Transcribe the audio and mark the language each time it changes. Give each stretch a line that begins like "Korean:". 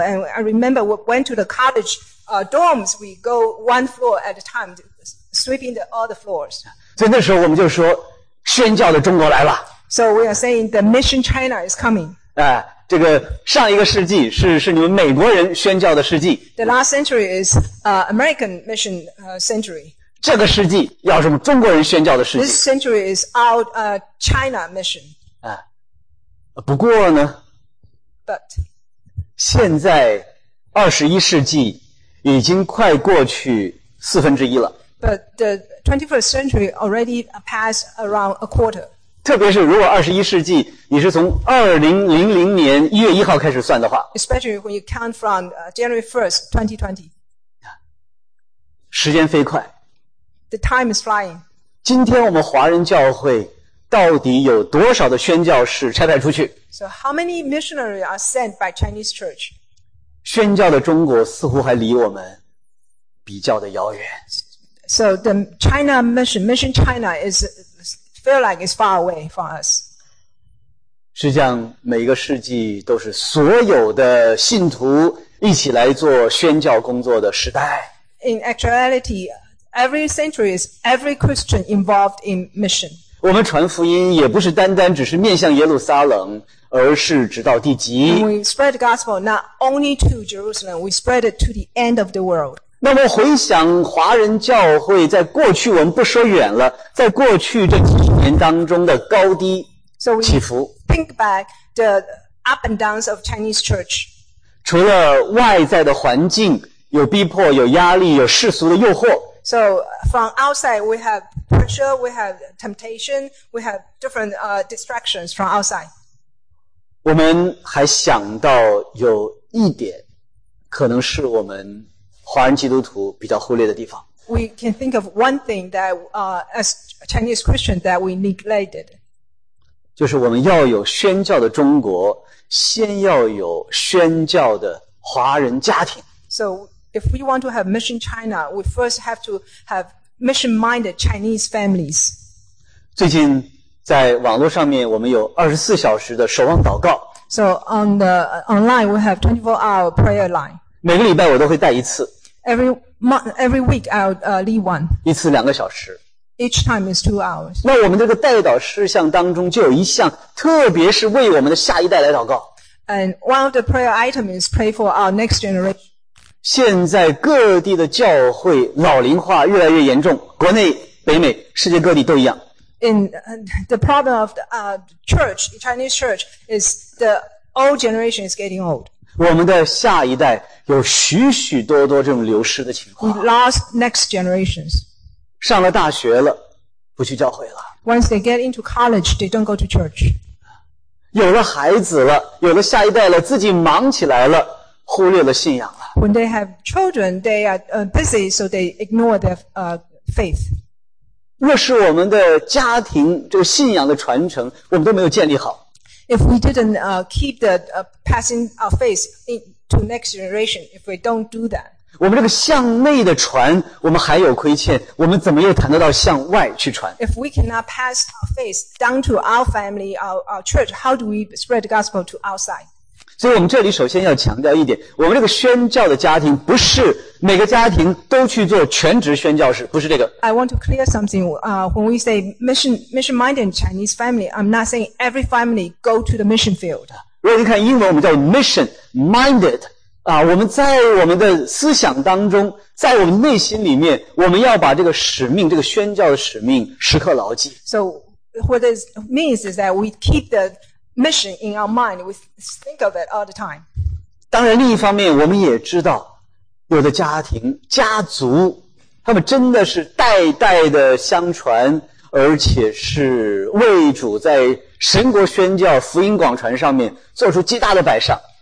English: And I remember we went to the college dorms. We go one floor at a time, sweeping all the floors.
Chinese: 所以那时候我们就说，宣教的中国来了。
English: So we are saying the mission China is coming.
Chinese: 哎，这个上一个世纪是你们美国人宣教的世纪。
English: The last century is American mission century.
Chinese: 这个世纪要什么中国人宣教的世纪。
English: This century is out China mission.
Chinese: 啊，不过呢
English: ，But
Chinese: 现在21世纪已经快过去四分之一了。
English: But the 21st century already passed around a quarter.
Chinese: 特别是如果21世纪你是从2000年1月1号开始算的话
English: ，Especially when you count from January 1st, 2020.
Chinese: 时间飞快。
English: The time is flying.
Chinese: 今天我们华人教会到底有多少的宣教士差派出去？
English: So how many missionaries are sent by Chinese church?
Chinese: 宣教的中国似乎还离我们比较的遥远。
English: So the China mission China is feel like it's far away from us.
Chinese: 实际上每个世纪都是所有的信徒一起来做宣教工作的时代。
English: In actuality,Every century is every Christian involved in mission.
Chinese: 我们传福音也不是单单只是面向耶路撒冷，而是直到地极。
English: We spread the gospel not only to Jerusalem, we spread it to the end of the world.
Chinese: 那么回想华人教会在过去，我们不说远了，在过去这几十年当中的高低起伏。
English: So we think back the up and downs of Chinese church.
Chinese: 除了外在的环境，有逼迫，有压力，有世俗的诱惑。
English: So from outside, we have pressure, we have temptation, we have different distractions from outside.
Chinese: 我们还想到有一点，可能是我们华人基督徒比较忽略的地方。
English: We can think of one thing that as Chinese Christian that we neglected.
Chinese: 就是我们要有宣教的中国，先要有宣教的华人家庭。
English: So if we want to have Mission China, we first have to have mission-minded Chinese families.
Chinese: 最近在网络上面，我们有24小时的守望祷告。
English: So on the online, we have 24-hour prayer line.
Chinese: 每个礼拜我都会带一次。
English: Every week I'll lead one.
Chinese: 一次两个小时。
English: Each time is 2 hours.
Chinese: 那我们这个代祷事项当中就有一项，特别是为我们的下一代来祷告。
English: And one of the prayer items is pray for our next generation.
Chinese: 现在各地的教会老龄化越来越严重，国内、北美、世界各地都一样。
English: In the problem of the church, Chinese church is the old generation is getting old.
Chinese: 我们的下一代有许许多多这种流失的情况。
English: We lost next generations.
Chinese: 上了大学了，不去教会了。
English: Once they get into college, they don't go to church.
Chinese: 有了孩子了，有了下一代了，自己忙起来了，忽略了信仰了。
English: When they have children, they are busy, so they ignore their faith.
Chinese: 若是我们的家庭这个信仰的传承我们都没有建立好。
English: If we didn't keep the passing our faith to next generation, if we don't do that.
Chinese: 我们这个向内的传我们还有亏欠，我们怎么又谈得到向外去传？
English: If we cannot pass our faith down to our family, our church, how do we spread the gospel to outside?
Chinese: 所以我们这里首先要强调一点，我们这个宣教的家庭不是每个家庭都去做全职宣教士，不是这个。
English: I want to clear something. When we say mission-minded Chinese family, I'm not saying every family go to the mission field.
Chinese: 如果你看英文，我们叫 mission-minded. 我们在我们的思想当中，在我们内心里面，我们要把这个使命，这个宣教的使命时刻牢记。
English: So what this means is that we keep the mission in our mind. We think of it all the time.
Chinese: 当然，另一方面，我们也知道。有的家庭家族他们真的是代代的相传，而且是为主在神国宣教福音广传上面做出极大的摆上。